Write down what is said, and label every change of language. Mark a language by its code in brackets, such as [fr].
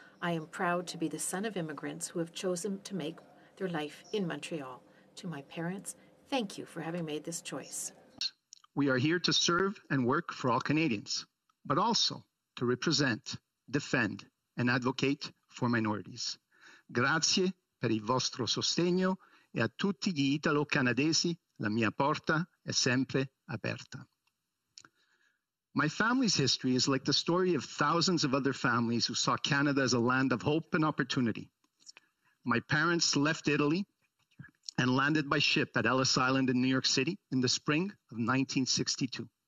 [en] I am proud to be the son of immigrants who have chosen to make their life in Montreal. To my parents, thank you for having made this choice. We are here to serve and work for all Canadians, but also to represent, defend, and advocate for minorities. [it] Grazie per il vostro sostegno e a tutti gli italo-canadesi, la mia porta è sempre aperta. [en] My family's history is like the story of thousands of other families who saw Canada as a land of hope and opportunity. My parents left Italy and landed by ship at Ellis Island in New York City in the spring of 1962.